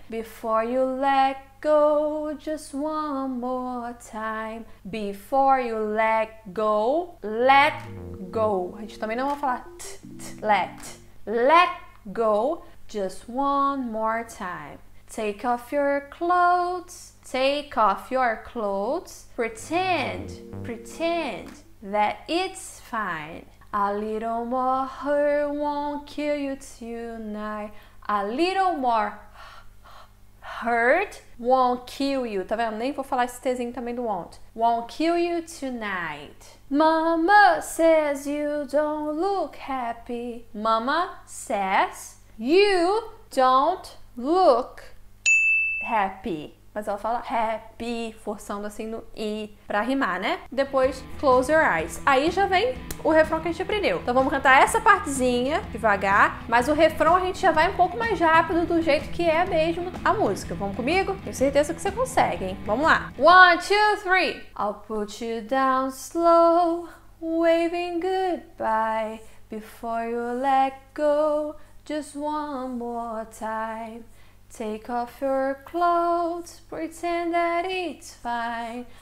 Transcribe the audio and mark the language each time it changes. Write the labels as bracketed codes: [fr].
[en] Before you let go, just one more time. Before you let go, let go. [pt] A gente também não vai falar t, t, let. [en] Let go, just one more time. Take off your clothes. Take off your clothes. Pretend, pretend that it's fine. A little more hurt won't kill you tonight. A little more hurt won't kill you. [pt] Tá vendo? Nem vou falar esse tezinho também do won't. [en] Won't kill you tonight. Mama says you don't look happy. Mama says you don't look happy. [pt] Mas ela fala happy, forçando assim no I pra rimar, né? Depois, [en] close your eyes. [pt] Aí já vem o refrão que a gente aprendeu. Então vamos cantar essa partezinha devagar. Mas o refrão a gente já vai um pouco mais rápido do jeito que é mesmo a música. Vamos comigo? Tenho certeza que você consegue, hein? Vamos lá. [en] One, two, three. I'll put you down slow, waving goodbye. Before you let go, just one more time. Take off your clothes, pretend that it's fine.